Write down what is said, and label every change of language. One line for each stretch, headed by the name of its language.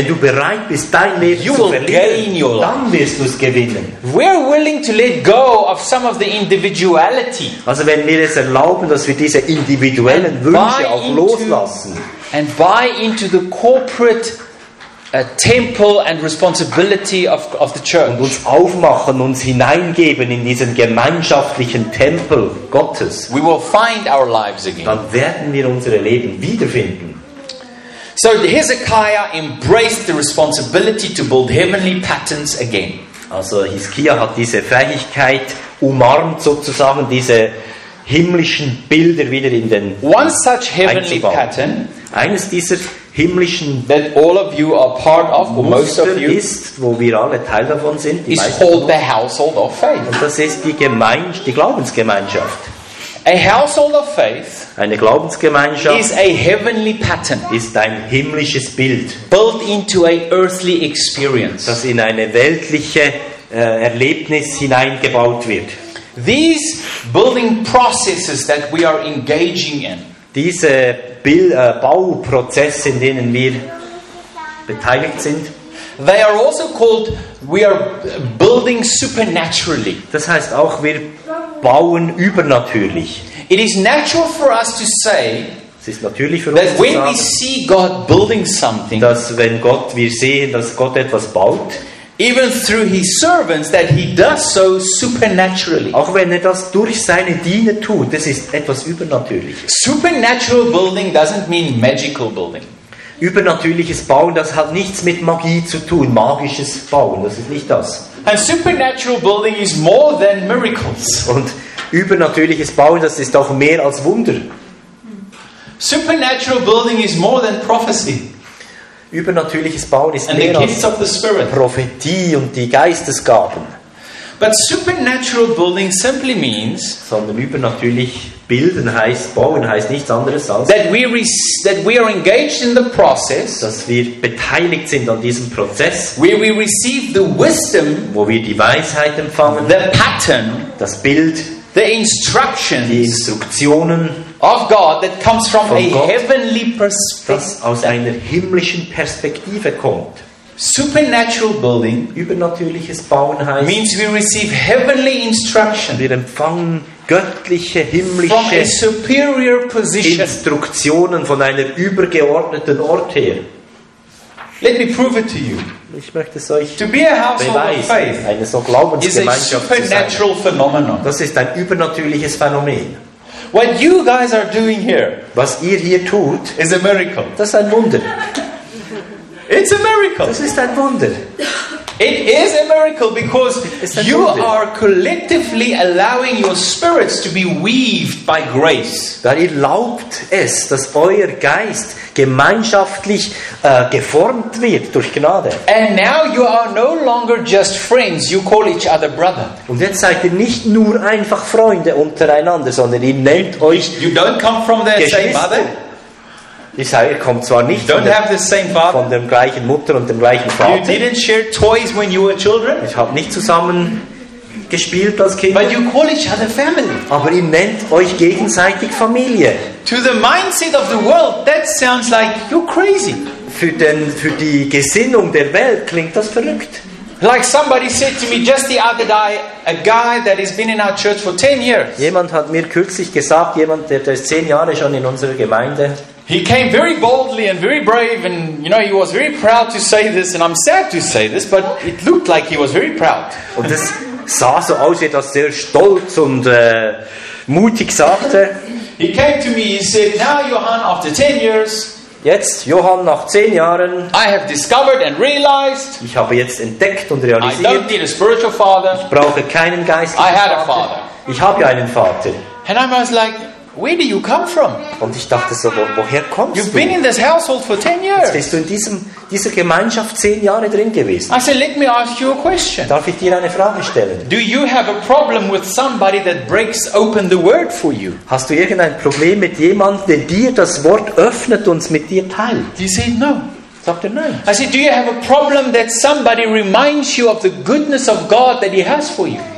German: wenn du bereit bist, dein Leben
English: you
German: zu verlieren, dann wirst du es gewinnen.
English: We're willing to let go of some of the individuality,
German: also wenn wir es erlauben, dass wir diese individuellen Wünsche auch loslassen.
English: And buy into the corporate a temple and responsibility of the church.
German: Und uns aufmachen, uns hineingeben in diesen gemeinschaftlichen Tempel Gottes.
English: We will find our lives again.
German: Dann werden wir unsere Leben wiederfinden.
English: So Hezekiah embraced the responsibility to build heavenly patterns again.
German: Also Hiskia hat diese Fähigkeit umarmt, sozusagen diese himmlischen Bilder wieder in den
English: One such heavenly pattern.
German: Eines dieser himmlischen
English: that all of you are part of, or most of you,
German: ist, wo wir alle Teil davon sind,
English: is called the household of faith.
German: Und das ist die Glaubensgemeinschaft.
English: A household of faith,
German: eine Glaubensgemeinschaft,
English: is a heavenly pattern,
German: ist ein himmlisches Bild,
English: built into a earthly experience,
German: das in eine weltliche Erlebnis hineingebaut wird.
English: These building processes that we are engaging in,
German: diese Bauprozesse, in denen wir beteiligt sind.
English: They are also called, we are building supernaturally.
German: Das heißt auch, wir bauen übernatürlich.
English: It is natural for us to say,
German: es ist natürlich für
English: that
German: uns
English: when
German: zu sagen,
English: we see God building something,
German: dass wenn Gott, wir sehen, dass Gott etwas baut,
English: even through his servants, that he does so supernaturally.
German: Auch wenn er das durch seine Diener tut, das ist etwas Übernatürliches.
English: Supernatural building doesn't mean magical building.
German: Übernatürliches Bauen, das hat nichts mit Magie zu tun. Magisches Bauen, das ist nicht das.
English: And supernatural building is more than miracles.
German: Und übernatürliches Bauen, das ist auch mehr als Wunder.
English: Supernatural building is more than prophecy.
German: Übernatürliches Bauen ist mehr als Prophetie und die Geistesgaben.
English: But supernatural building simply means,
German: sondern übernatürlich Bilden heißt bauen, heißt nichts anderes als
English: that we are engaged in the process,
German: dass wir beteiligt sind an diesem Prozess,
English: where we receive the wisdom,
German: wo wir die Weisheit empfangen,
English: the pattern,
German: das Bild,
English: the instructions,
German: die Instruktionen
English: of God that comes from a heavenly perspective,
German: das aus einer himmlischen Perspektive kommt.
English: Supernatural building,
German: übernatürliches Bauen heißt,
English: means we receive heavenly instruction.
German: Wir empfangen göttliche, himmlische
English: from a superior position.
German: Instruktionen von einer übergeordneten Ort her.
English: Let me prove it to you.
German: Ich möchte es euch
English: to be a household
German: beweisen,
English: of faith
German: eine so Glaubensgemeinschaft
English: is a supernatural phenomenon.
German: Das ist ein übernatürliches Phänomen.
English: What you guys are doing here,
German: was ihr hier tut,
English: is a miracle.
German: Das ist ein Wunder.
English: It's a miracle.
German: Das ist ein Wunder.
English: It is a miracle because you are collectively allowing your spirits to be weaved by grace.
German: Da erlaubt es, dass euer Geist gemeinschaftlich geformt wird durch Gnade.
English: And now you are no longer just friends, you call each other brother.
German: Und jetzt seid ihr nicht nur einfach Freunde untereinander, sondern ihr nennt euch
English: you don't come from the same mother.
German: Ich sage, ihr kommt zwar nicht von dem gleichen Mutter und dem gleichen Vater.
English: You didn't share toys when you were children.
German: Ich habe nicht zusammen gespielt als Kind.
English: But you call each other family.
German: Aber ihr nennt euch gegenseitig Familie.
English: To the mindset of the world, that sounds like you're crazy.
German: Für die Gesinnung der Welt klingt das verrückt.
English: Like somebody said to me just the other day, a guy that has been in our church for 10 years.
German: Jemand hat mir kürzlich gesagt, jemand der ist 10 Jahre schon in unserer Gemeinde.
English: He came very boldly and very brave, and you know he was very proud to say this, and I'm sad to say this, but it looked like he was very proud.
German: Und es sah so aus, als er sehr stolz und mutig sagte.
English: He came to me. He said, "Now, Johann, after 10 years."
German: Jetzt, Johann, nach 10 Jahren.
English: I have discovered and realized.
German: Ich habe jetzt entdeckt und realisiert.
English: I don't need a spiritual father.
German: Ich brauche keinen geistlichen
English: I had a father.
German: Vater. Ich habe ja einen Vater.
English: And I was like. Where do you come from?
German: Und ich dachte so, woher kommst
English: You've been
German: du?
English: In this household for 10 years.
German: Jetzt bist du in dieser Gemeinschaft 10 Jahre drin gewesen.
English: I said, let me ask you a question.
German: Darf ich dir eine Frage stellen?
English: Do you have a problem with somebody that breaks open the word for you?
German: Hast du irgendein Problem mit jemandem, der dir das Wort öffnet und es mit dir teilt?
English: He said, no.
German: Sagt er, nein.
English: I said, do you have a problem that somebody reminds you of the goodness of God that he has for you?